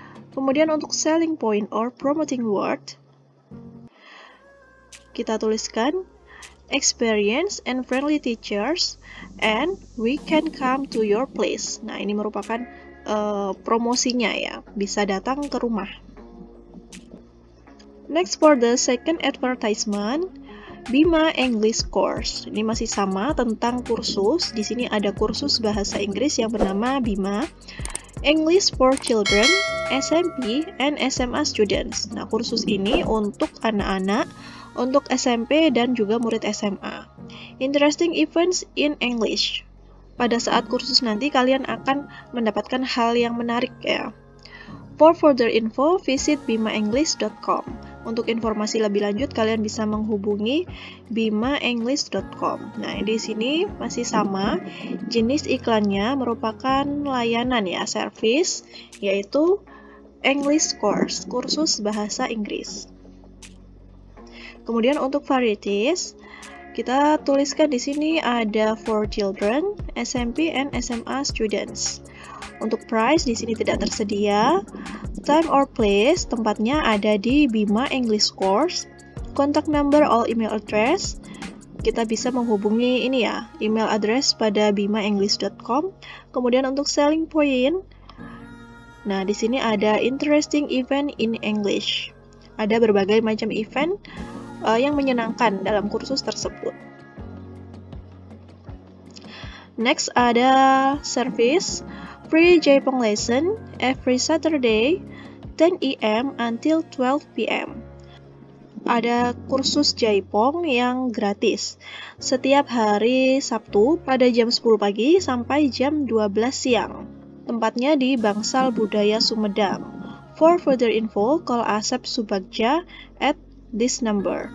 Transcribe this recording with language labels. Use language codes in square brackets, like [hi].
[id] Kemudian untuk [en] selling point or promoting word, [id] kita tuliskan [en] experience and friendly teachers and we can come to your place. [id] Nah, ini merupakan promosinya ya, bisa datang ke rumah. [en] Next for the second advertisement, Bima English Course. [id] Ini masih sama tentang kursus. Di sini ada kursus bahasa Inggris yang bernama Bima English for Children, SMP and SMA Students. Nah, kursus ini untuk anak-anak, untuk SMP dan juga murid SMA. [en] Interesting events in English. [id] Pada saat kursus nanti kalian akan mendapatkan hal yang menarik ya. [en] For further info, visit bimaenglish.com. [id] Untuk informasi lebih lanjut, kalian bisa menghubungi bimaenglish.com. Nah, di sini masih sama, jenis iklannya merupakan layanan ya, service, yaitu English course, kursus bahasa Inggris. Kemudian untuk varieties, kita tuliskan di sini ada [en] for children, SMP, and SMA students. [id] Untuk price di sini tidak tersedia. [en] Time or place, [id] tempatnya ada di Bima English Course. [en] Contact number or email address, [id] kita bisa menghubungi ini ya, email address pada bimaenglish.com. Kemudian untuk selling point, nah di sini ada [en] interesting event in English. [id] Ada berbagai macam event yang menyenangkan dalam kursus tersebut. Next ada service. [en] Free Jaipong lesson every Saturday 10 AM until 12 PM. [id] Ada kursus Jaipong yang gratis setiap hari Sabtu pada jam 10 pagi sampai jam 12 siang. Tempatnya di Bangsal Budaya Sumedang. [en] For further info, call Asep Subagja at this number.